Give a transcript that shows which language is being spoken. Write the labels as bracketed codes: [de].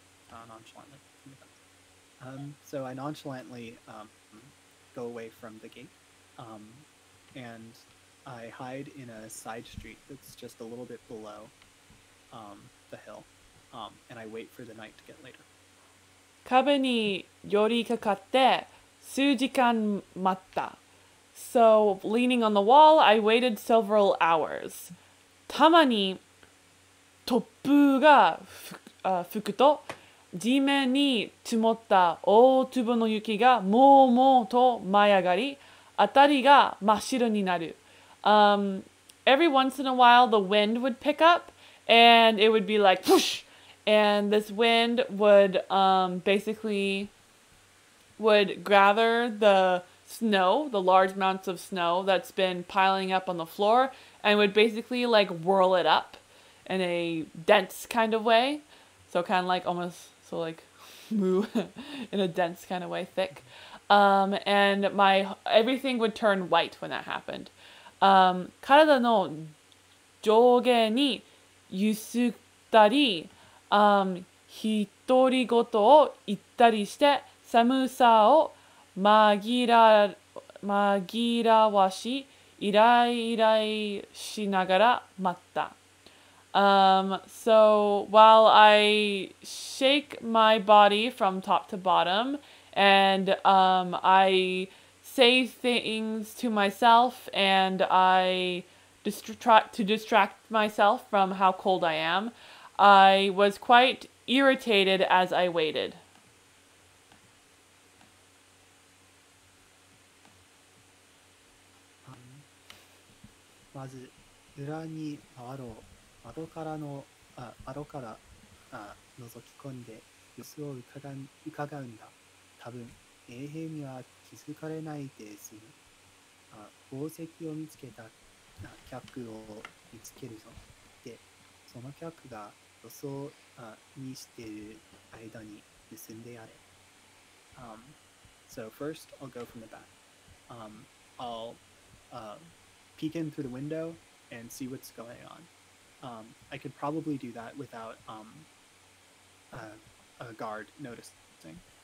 [en] Nonchalantly. So I nonchalantly go away from the gate, and I hide in a side street that's just a little bit below the hill, and I wait for the night to get later. [ja] 壁に寄りかかって数時間待った。 [en] So, leaning on the wall, I waited several hours. [ja] たまに突風が吹くと地面に積もった大粒の雪がもうもうと舞い上がり、あたりが真っ白になる。 [en] Every once in a while, the wind would pick up and it would be like, push! And this wind would basically would gather the snow, the large amounts of snow that's been piling up on the floor, and would basically like whirl it up in a dense kind of way. So kind of like almost so like moo in a dense kind of way, thick. And my everything would turn white when that happened. [ja] 体の上下に揺すったり一人ごとを言ったりして寒さを紛らわしイライライしながら待った。 [en] So while I shake my body from top to bottom and I say things to myself and I distract myself from how cold I am. I was quite irritated as I waited. [ja] まず裏に回ろう。窓からの、窓から、覗き込んで様子を伺うんだ。多分衛兵には気づかれないで済む。宝石を見つけた客を見つけるぞ。で、その客が [en] So first, I'll go from the back. I'll peek in through the window and see what's going on. I could probably do that without a guard noticing.